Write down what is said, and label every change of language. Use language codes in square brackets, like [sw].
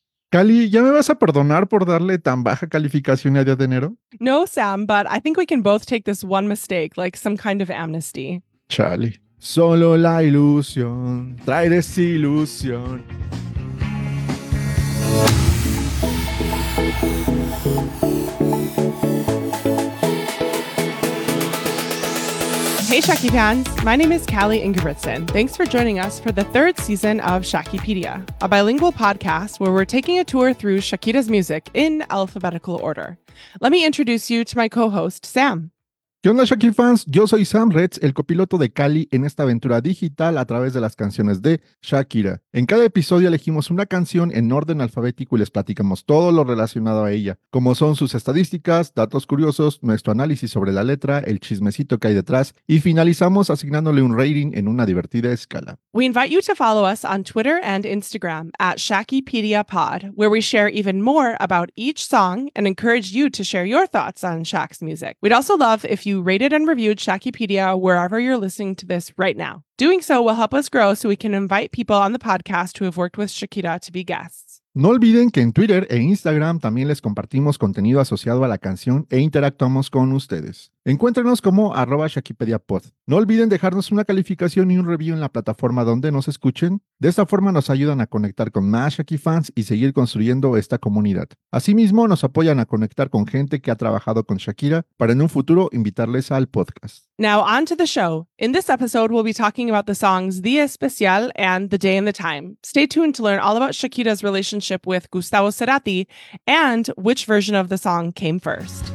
[es] Cali, ¿ya me vas a perdonar por darle tan baja calificación a Día de Enero? [en] No, Sam, but I think we can both take this one mistake, like some kind of amnesty. Charlie. [es] Solo la ilusión trae desilusión. [en] Hey, Shaki fans. My name is Callie Ingebrigtsen. Thanks for joining us for the third season of Shakipedia, a bilingual podcast where we're taking a tour through Shakira's music in alphabetical order. Let me introduce you to my co-host, Sam. [es] ¿Qué onda, Shaki fans? Yo soy Sam Retz, el copiloto de Callie en esta aventura digital a través de las canciones de Shakira. En cada episodio elegimos una canción en orden alfabético y les platicamos todo lo relacionado a ella, como son sus estadísticas, datos curiosos, nuestro análisis sobre la letra, el chismecito que hay detrás, y finalizamos asignándole un rating en una divertida escala. [en] We invite you to follow us on Twitter and Instagram at ShakipediaPod, where we share even more about each song and encourage you to share your thoughts on Shak's music. We'd also love if you rated and reviewed Shakipedia wherever you're listening to this right now. Doing so will help us grow so we can invite people on the podcast who have worked with Shakira to be guests. [es] No olviden que en Twitter e Instagram también les compartimos contenido asociado a la canción e interactuamos con ustedes. Encuéntrenos como @ShakipediaPod. No olviden dejarnos una calificación y un review en la plataforma donde nos escuchen. De esta forma nos ayudan a conectar con más Shaki fans y seguir construyendo esta comunidad. Asimismo, nos apoyan a conectar con gente que ha trabajado con Shakira para en un futuro invitarles al podcast. [en] Now on to the show. In this episode, we'll be talking about the songs Día Especial and The Day and the Time. Stay tuned to learn all about Shakira's relationship with Gustavo Cerati and which version of the song came first.